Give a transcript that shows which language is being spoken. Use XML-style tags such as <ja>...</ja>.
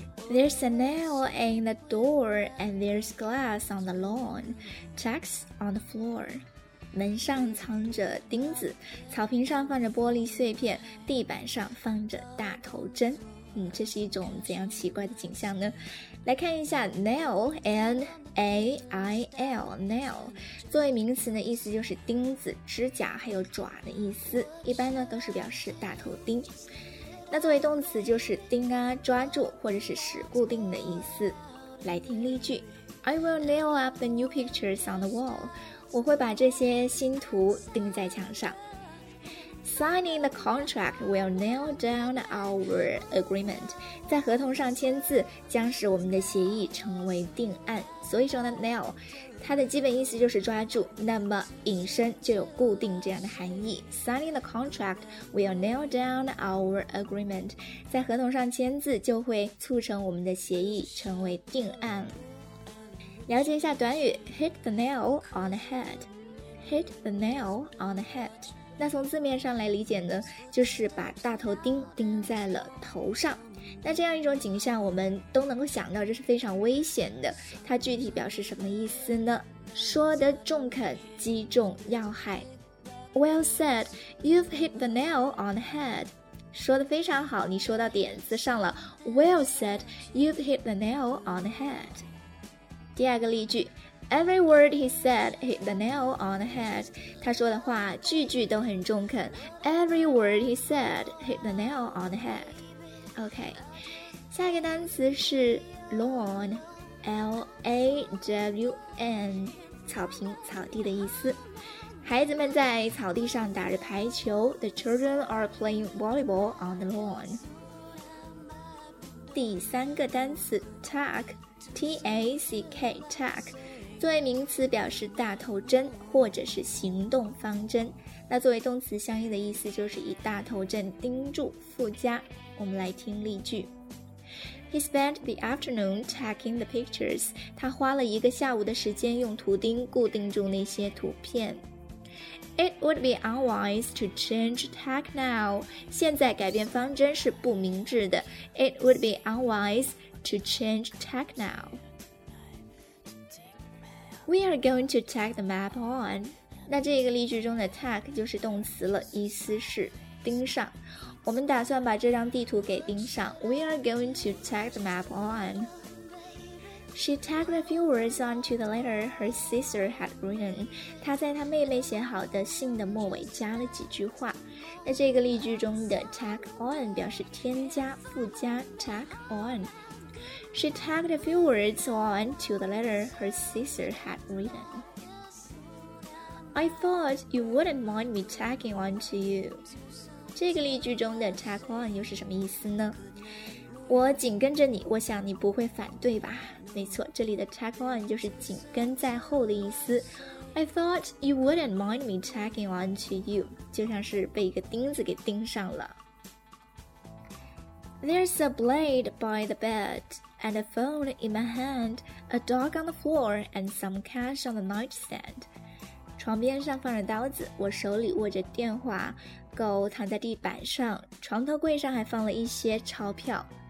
<en>There's a nail in the door and there's glass on the lawn, tacks on the floor.</en> <zh>门上藏着钉子，草坪上放着玻璃碎片，地板上放着大头针。这是一种怎样奇怪的景象呢？来看一下 nail, N-A-I-L, nail 作为名词呢，意思就是钉子、指甲还有爪的意思，一般呢都是表示大头钉。那作为动词就是钉啊、抓住或者是使固定的意思。来听例句。</zh> <en>I will nail up the new pictures on the wall.</en> <zh>我会把这些新图钉在墙上。</zh> <en>Signing the contract will nail down our agreement.</en> <zh>在合同上签字将使我们的协议成为定案。所以说呢 nail 它的基本意思就是抓住，那么引申就有固定这样的含义。</zh> <en>Signing the contract will nail down our agreement.</en> <zh>在合同上签字就会促成我们的协议成为定案。</zh> <en>了解一下短语 Hit the nail on the head. Hit the nail on the head.</en> <zh>那从字面上来理解呢，就是把大头钉钉在了头上。那这样一种景象我们都能够想到这是非常危险的，它具体表示什么意思呢？说得中肯，击中要害。</zh> <en>Well said, you've hit the nail on the head.</en> <zh>说得非常好，你说到点子上了。</zh> <en>Well said, you've hit the nail on the head.</en> <zh>第二个例句，</zh> <en>Every word he said hit the nail on the head.</en> <zh>他说的话句句都很中肯。</zh> <en>Every word he said hit the nail on the head.</en> <zh>OK， 下一个单词是 lawn， L-A-W-N， 草坪、草地的意思。孩子们在草地上打着排球，</zh> <en>The children are playing volleyball on the lawn。</en> <zh>第三个单词 tack， T-A-C-K， tack， 作为名词表示大头针或者是行动方针，那作为动词相应的意思就是以大头针钉住附加。我们来听例句。</zh> <en>He spent the afternoon tacking the pictures.</en> <zh>他花了一个下午的时间用图钉固定住那些图片。</zh> <en>It would be unwise to change tack now.</en> <zh>现在改变方针是不明智的。</zh> <en>It would be unwise to change tack now. We are going to tack the map on.</en> <zh>那这个例句中的 tack 就是动词了，意思是钉上。我们打算把这张地图给钉上。</zh> <en>We are going to tack the map on. She tacked a few words onto the letter her sister had written.</en> <zh>她在她妹妹写好的信的末尾加了几句话。那这个例句中的 tack on 表示添加、附加。Tack on.</zh> <en>She tacked a few words onto the letter her sister had written. I thought you wouldn't mind me tacking onto you.</en> <zh>这个例句中的 tack on 又是什么意思呢？我紧跟着你，我想你不会反对吧？没错，这里的 tack on 就是紧跟在后的意思。</zh> <en>I thought you wouldn't mind me tacking on to you.</en> <zh>就像是被一个钉子给钉上了。</zh> <en>There's a blade by the bed and a phone in my hand, a dog on the floor and some cash on the nightstand.</en> <zh>床边上放着刀子，我手里握着电话，狗躺在地板上，床头柜上还放了一些钞票。</zh>